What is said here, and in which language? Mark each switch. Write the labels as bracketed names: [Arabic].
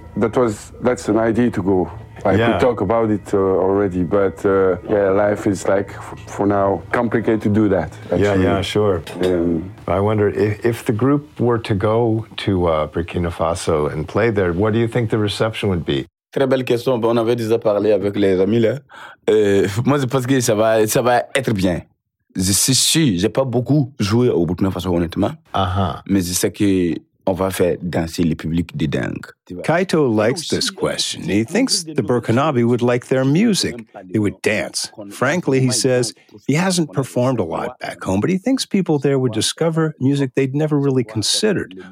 [English] Yeah, that's an idea to go. We talk about it already, but life is like, for now, complicated to do that. Actually. Yeah, sure. I wonder, if the group were to go to Burkina Faso and play there, what do you think the reception would be? [French] Très belle question. On avait déjà parlé avec les amis là. Moi, je pense que ça va être bien. Je suis sûr, j'ai pas beaucoup joué au Burkina Faso, honnêtement. Uh-huh. Mais je sais qu'on va faire danser le public de dingue. [English] Kaito likes this question. He thinks the Burkinabé would like their music. They would dance. Frankly, he says, he hasn't performed a lot back home, but he thinks people there would discover music they'd never really considered.